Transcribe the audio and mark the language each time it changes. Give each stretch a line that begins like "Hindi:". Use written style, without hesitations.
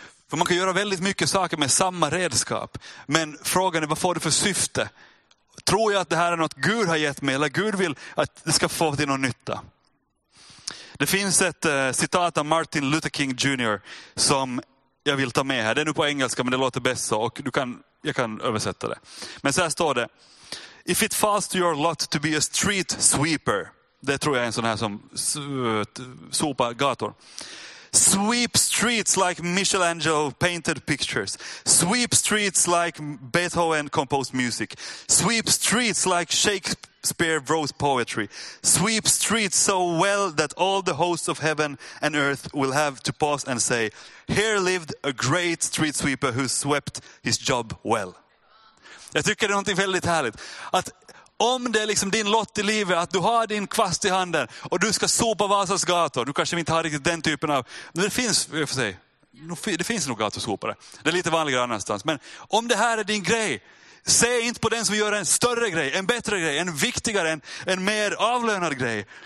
Swedish: För man kan göra väldigt mycket saker med samma redskap. Men frågan är, vad får du för syfte? Tror jag att det här är något Gud har gett mig? Eller Gud vill att det ska få till någon nytta? Det finns ett citat av Martin Luther King Jr. som jag vill ta med här. Det är nu på engelska, men det låter bäst så. Och jag kan översätta det. Men så här står det.
English: If it falls to your lot to be a street sweeper.
Swedish: Det tror jag är en sån här som sopar gator.
English: Sweep streets like Michelangelo painted pictures. Sweep streets like Beethoven composed music. Sweep streets like Shakespeare wrote poetry. Sweep streets so well that all the hosts of heaven and earth will have to pause and say, here lived a great street sweeper who swept his job well.
Swedish: Jag tycker det är något väldigt härligt. Att om det är liksom din lott i livet, att du har din kvast i handen och du ska sopa Vasas gator. Du kanske inte har riktigt den typen av... Men det finns, för sig, det finns nog gatorsopare. Det är lite vanligare annanstans. Men om det här är din grej, se inte på den som gör en större grej, en bättre grej, en viktigare, en mer avlönad grej.